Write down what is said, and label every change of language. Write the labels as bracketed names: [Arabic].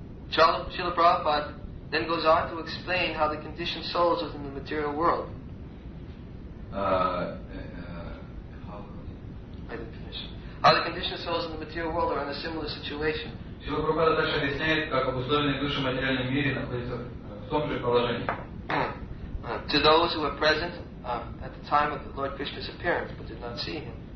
[English] Srila Prabhupada then goes on to explain how the conditioned souls within the material world. How the conditioned souls in the material world are in a similar situation. [Russian] Srila Prabhupada дальше объясняет, как обусловленные души в материальном мире находятся в том же положении. [English] To those who are present. At the time of Lord Krishna's appearance, but did not see him.